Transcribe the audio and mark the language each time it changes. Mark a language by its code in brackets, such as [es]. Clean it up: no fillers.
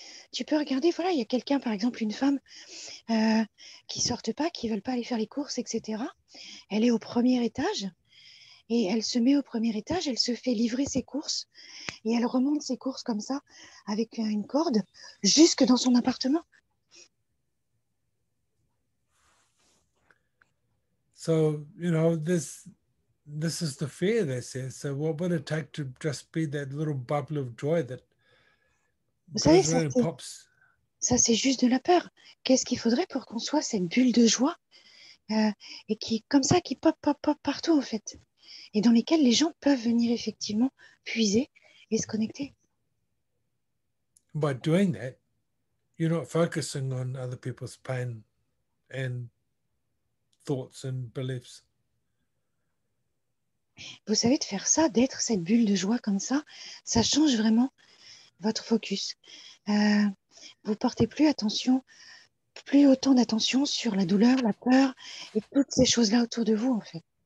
[fr] Tu peux regarder, voilà, il y a quelqu'un, par exemple, une femme qui ne sort pas, qui ne veut pas aller faire les courses, etc. Elle est au premier étage et elle se met au premier étage, elle se fait livrer ses courses et elle remonte ses courses comme ça, avec une corde, jusque dans son appartement. [en] So, you know, This is the fear they say. So what would it take to just be that little bubble of joy that goes and pops? [fr] Ça c'est juste de la peur. Qu'est-ce qu'il faudrait pour qu'on soit cette bulle de joie et qui comme ça qui pop partout en fait et dans lesquelles les gens peuvent venir effectivement puiser et se connecter. [en] By doing that, you're not focusing on other people's pain and thoughts and beliefs. [fr] Vous savez, de faire ça, d'être cette bulle de joie comme ça, ça change vraiment votre focus. Vous portez plus autant d'attention sur la douleur, la peur et toutes ces choses-là autour de vous, en fait.